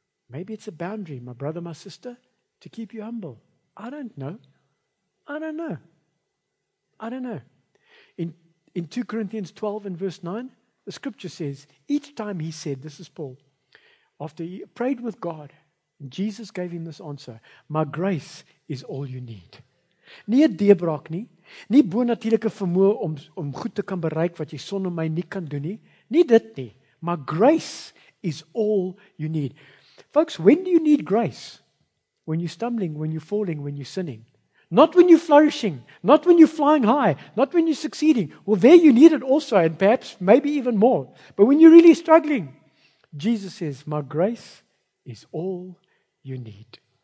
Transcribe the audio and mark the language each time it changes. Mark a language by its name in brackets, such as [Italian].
[English] Maybe it's a boundary, my brother, my sister, to keep you humble. I don't know. I don't know. I don't know. In 2 Corinthians 12 and verse 9, the scripture says, each time he said, this is Paul, after he prayed with God, Jesus gave him this answer, my grace is all you need. [Afrikaans] Nie 'n deurbraak nie, nie bonatuurlike vermoë om goed te kan bereik wat jy sonder my nie kan doen nie, nie dit nie, [English] my grace is all you need. Folks, when do you need grace? When you're stumbling, when you're falling, when you're sinning. Not when you're flourishing, not when you're flying high, not when you're succeeding. Well, there you need it also, and perhaps maybe even more. But when you're really struggling, Jesus says, my grace is all you need.